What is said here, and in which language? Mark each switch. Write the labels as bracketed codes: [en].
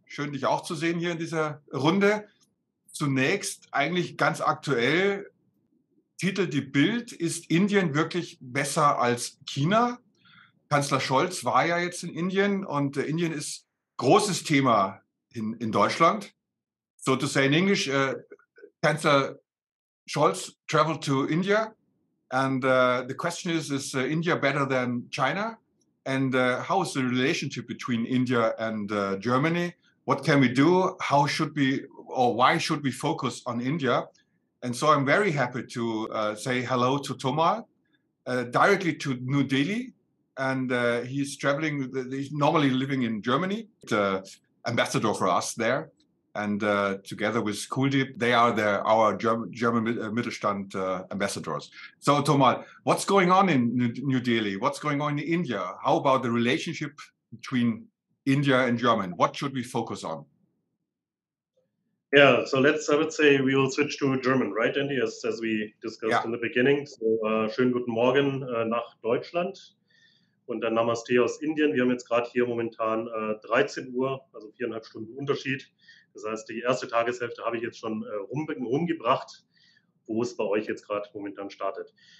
[de] Schön, dich auch zu sehen hier in dieser Runde. Zunächst eigentlich ganz aktuell, Titel die Bild, ist Indien wirklich besser als China? Kanzler Scholz war ja jetzt in Indien und Indien ist großes Thema in Deutschland. [en] So to say in English, Kanzler Scholz traveled to India and the question is India better than China? And how is the relationship between India and Germany? What can we do? How should we, or why should we focus on India? And so I'm very happy to say hello to Tomal, directly to New Delhi. And he's traveling, he's normally living in Germany, ambassador for us there. And together with Kuldeep, they are our German Mittelstand ambassadors. So Tomal, what's going on in New Delhi? What's going on in India? How about the relationship between India and Germany? What should we focus on? Yeah, so I would say we will switch to German, right, Andy, as we discussed in the beginning. [de] So schönen guten Morgen nach Deutschland und dann Namaste aus Indien. Wir haben jetzt gerade hier momentan 13 Uhr, also 4,5 Stunden Unterschied. Das heißt, die erste Tageshälfte habe ich jetzt schon rumgebracht, wo es bei euch jetzt gerade momentan startet.